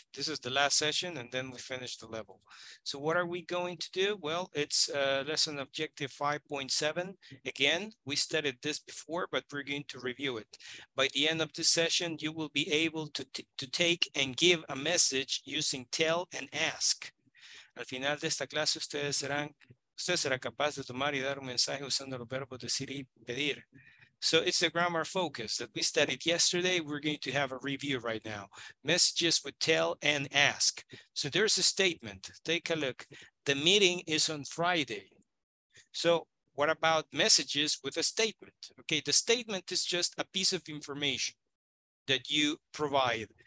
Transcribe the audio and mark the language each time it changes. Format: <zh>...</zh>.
<en>This is the last session, and then we finish the level. So what are we going to do? Well, it's lesson objective 5.7. Again, we studied this before, but we're going to review it. By the end of this session, you will be able to take and give a message using tell and ask.</en> <es>Al final de esta clase, usted será capaz de tomar y dar un mensaje usando los verbos decir y pedir.</es> <en>So it's the grammar focus that we studied yesterday. We're going to have a review right now. Messages with tell and ask. So there's a statement. Take a look. The meeting is on Friday. So what about messages with a statement? Okay, the statement is just a piece of information that you provide.</en>